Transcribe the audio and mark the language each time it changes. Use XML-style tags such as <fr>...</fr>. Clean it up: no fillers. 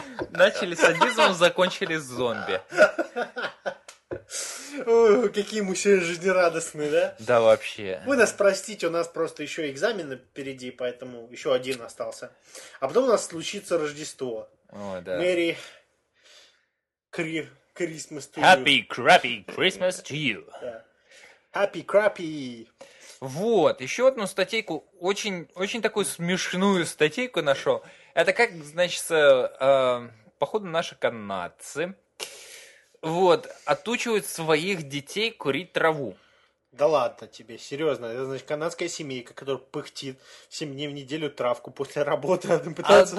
<ru>Начали садизмом, закончили зомби. Ой, какие мы сегодня жизнерадостные, да? Да вообще. Вы нас простите, у нас просто еще экзамены впереди, поэтому еще один остался. А потом у нас случится Рождество. О, да.</ru> <en>Merry Christmas to you. Happy Crappy Christmas to you. Happy Crappy.</en> <ru>Вот, еще одну статейку, очень такую смешную статейку нашел. Это как, значит, походу наши канадцы, вот, отучивают своих детей курить траву. Да ладно тебе, серьезно, это значит канадская семейка, которая пыхтит 7 дней в неделю травку после работы, она пытается...</ru>